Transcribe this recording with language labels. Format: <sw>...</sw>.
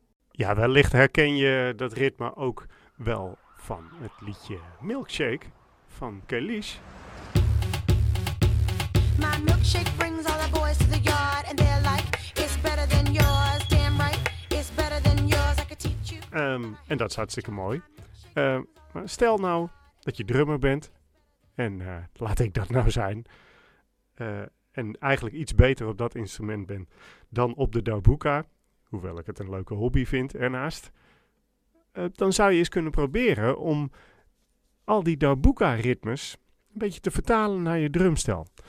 <nl>Ja, wellicht herken je dat ritme ook wel van het liedje Milkshake van Kelish.</nl> <en>My milkshake brings all the boys to the yard and they're like, it's better than yours, damn right, it's better than yours, I could teach you.</en> <nl>En dat is hartstikke mooi. Maar stel nou dat je drummer bent, en laat ik dat nou zijn, en eigenlijk iets beter op dat instrument ben dan op de darbouka. Hoewel ik het een leuke hobby vind ernaast. Dan zou je eens kunnen proberen om al die darbouka-ritmes een beetje te vertalen naar je drumstel.</nl>